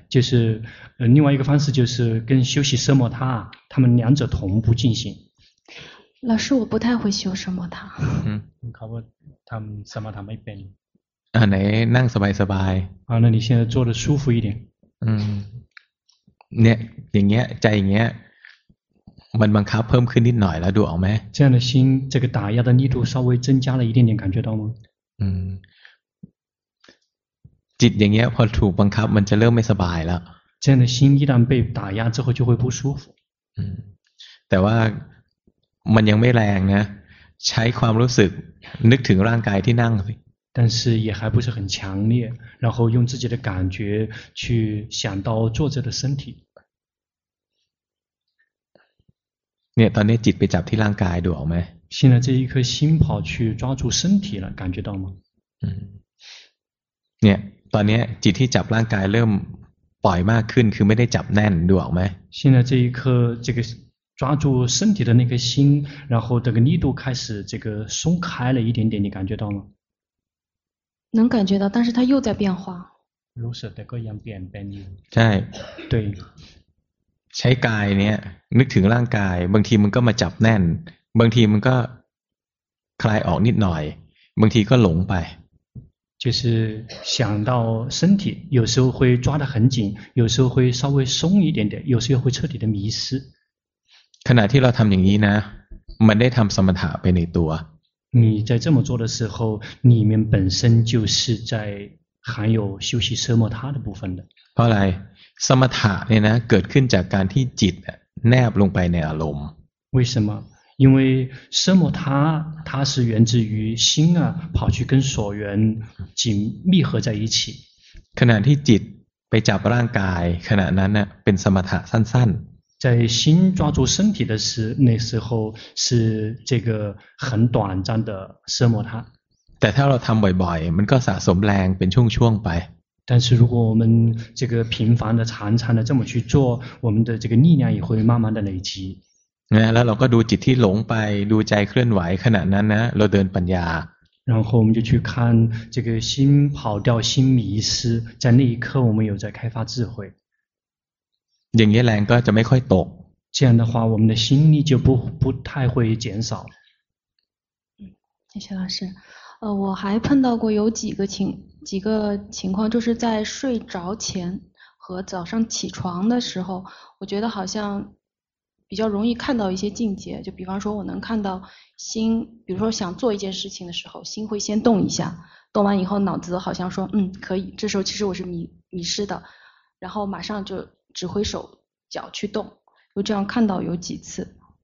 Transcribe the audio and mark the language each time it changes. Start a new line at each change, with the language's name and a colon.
Chinese: 就是另外一个方式就是跟休息奢摩他他们两者同步进行老师我不太会修奢摩他
Thai: เขาว่าทำสมถะไม่เป็น ไหนนั่งสบายสบาย
Chinese: อ๋อ那你现在坐得舒服一点
Thai: เนี่ยอย่างเงี้ยใจอย่างเงี้ยมันบังคับเพิ่มขึ้นนิดหน่อยแล้วดูออกไหม
Chinese: 这样的心这个打压的力度稍微增加了一点点感觉到吗
Thai: จิตอย่างเงี้ยพอถูกบังคับมันจะเริ่มไม่สบายแล้ว
Chinese: 这样的心一旦被打压之后就会不舒服
Thai: แต่ว่ามันยังไม่แรงนะใช้ความรู้สึกนึกถึงร่างกายที่นั่ง
Chinese: 但是也还不是很强烈然后用自己的感觉去想到坐着的身体
Thai: เนี่ยตอนนี้จิตไปจับที่ร่างกายดูออกไหม
Chinese: 现在这一颗心跑去抓住身体了感觉到吗
Thai: เนี่ยตอนนี้จิตที่จับร่างกายเริ่มปล่อยมากขึ้นคือไม่ได้จับแน่นดูออกไหม
Chinese: 现在这一颗这个抓住身体的那颗心然后这个力度开始这个松开了一点点你感觉到吗能感觉到但是它又在变化
Thai: รู้สึกแต่ก็ยังเปลี่ยนไป ใช่
Chinese: 对
Thai: ใช้กายเนี่ยนึกถึงร่างกายบางทีมันก็มาจับแน่นบางทีมันก็คลายออกนิดหน่อยบางทีก็หลงไป
Chinese: 就是想到身体有时候会抓得很紧有时候会稍微松一点点有时候会彻底的迷失
Thai: ขณะที่เราทำอย่างนี้นะมันได้ทำสมถะไปในตัว
Chinese: 你在这么做的时候里面本身就是在含有休息奢摩他的部分的
Thai: เพราะอะไรสมถะเนี่ยนะเกิดขึ้นจากการที่จิตแนบลงไปในอารมณ์
Chinese: 为什么因为奢摩他它是源自于心啊跑去跟所缘紧密合在一起
Thai: ขณะที่จิตไปจับร่างกายขณะนั้นเป็นสมถะสั้น
Chinese: ๆ在心抓住身体的时候那时候是这个很短暂的奢摩他
Thai: แต่ถ้าเราทำบ่อยๆมันก็สะสมแรงเป็นช่วงๆไป
Chinese: 但是如果我们这个频繁的常常的这么去做我们的这个力量也会慢慢的累积
Thai: แล้วเราก็ดูจิตที่หลงไปดูใจเคลื่อนไหวขณะนั้นนะเราเดินปัญญา
Chinese: 然后我们就去看这个心跑掉心迷失在那一刻我们有在开发智慧
Thai: อย่างนี้แรงก็จะไม่ค่อยตก
Chinese: 这样的话我们的心力就不太会减少谢谢老师我还碰到过有几个情况就是在睡着前和早上起床的时候我觉得好像比较容易看到一些境界就比方说我能看到心比如说想做一件事情的时候心会先动一下动完以后脑子好像说可以这时候其实我是迷失的然后马上就指挥手脚去动就这样看到有几次